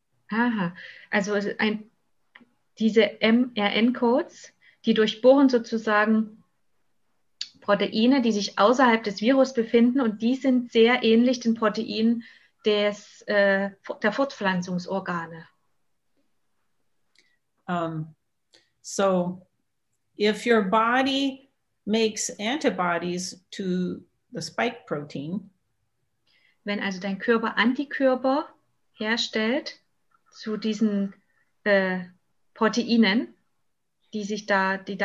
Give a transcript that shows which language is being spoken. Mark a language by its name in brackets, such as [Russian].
[German] Aha, also diese mRNA-Codes, die durchbohren sozusagen Proteine, die sich außerhalb des Virus befinden, und die sind sehr ähnlich den Proteinen der Fortpflanzungsorgane. [English] So, if your body makes antibodies to the spike protein, [German] wenn also dein Körper Antikörper herstellt zu diesen Proteinen, die da